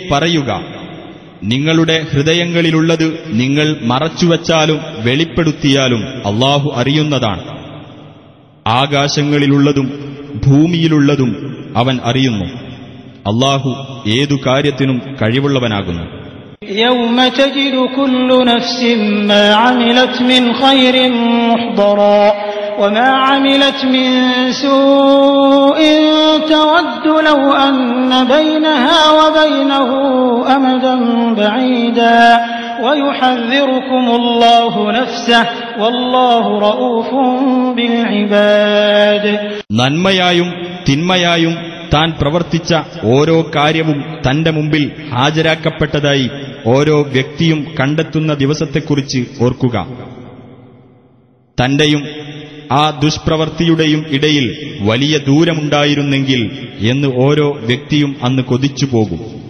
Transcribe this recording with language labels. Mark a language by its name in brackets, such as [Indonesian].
[Malayalam] പറയുക, നിങ്ങളുടെ ഹൃദയങ്ങളിലുള്ളത് നിങ്ങൾ മറച്ചുവെച്ചാലും വെളിപ്പെടുത്തിയാലും അല്ലാഹു അറിയുന്നതാണ്. ആകാശങ്ങളിലുള്ളതും ഭൂമിയിലുള്ളതും അവൻ അറിയുന്നു. അല്ലാഹു ഏതു കാര്യത്തിനും കഴിവുള്ളവനാകുന്നു. [Arabic] يوم تجد كل نفس ما عملت من خير محضرا وما عملت من سوء تود لو أن بينها وبينه أمدا بعيدا ويحذركم الله نفسه والله رؤوف بالعباد. [Malayalam] നന്മയായും തിന്മയായും താൻ പ്രവർത്തിച്ച ഓരോ കാര്യവും തന്റെ മുമ്പിൽ ഹാജരാക്കപ്പെട്ടതായി ഓരോ വ്യക്തിയും കണ്ടെത്തുന്ന ദിവസത്തെക്കുറിച്ച് ഓർക്കുക. തന്റെയും ആ ദുഷ്പ്രവൃത്തിയുടെയും ഇടയിൽ വലിയ ദൂരമുണ്ടായിരുന്നെങ്കിൽ എന്ന് ഓരോ വ്യക്തിയും അന്ന് കൊതിച്ചുപോകും.